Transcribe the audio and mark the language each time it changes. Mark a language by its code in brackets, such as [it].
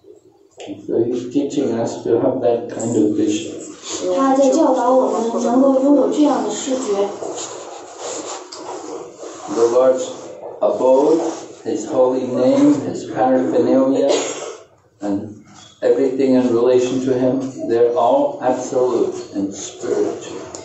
[en] So he's teaching us to have that kind of vision. [zh] 他在教导我们能够拥有这样的视觉。 [en] The Lord's abode, His holy name, His paraphernalia, and everything in relation to Him, they're all absolute and spiritual.